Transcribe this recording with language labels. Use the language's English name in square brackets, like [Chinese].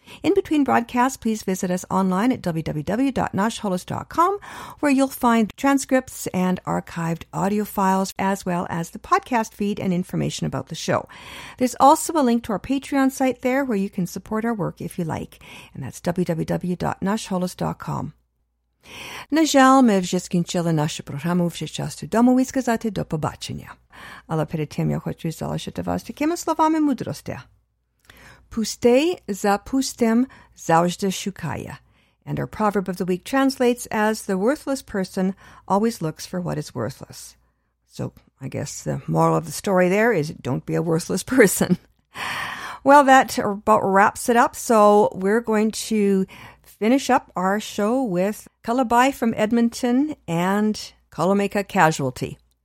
[English] In between broadcasts, please visit us online at www.nashholos.com, where you'll find transcripts and archived audio files, as well as the podcast feed and information about the show. There's also a link to our Patreon site there, where you can support our work if you like, and that's www.nashholos.com. [Ukrainian] На жаль, ми вже скінчили нашу програму, вже час додому і сказати до побачення. Але перед тим я хочу залишити вас такими словами мудрості. Пусте за пустим завжди шукає. [English] And our proverb of the week translates as the worthless person always looks for what is worthless. So I guess the moral of the story there is don't be a worthless person. Well, that about wraps it up. So we're going to finish up our show with Kalabai from Edmonton and Kalameka Casualty.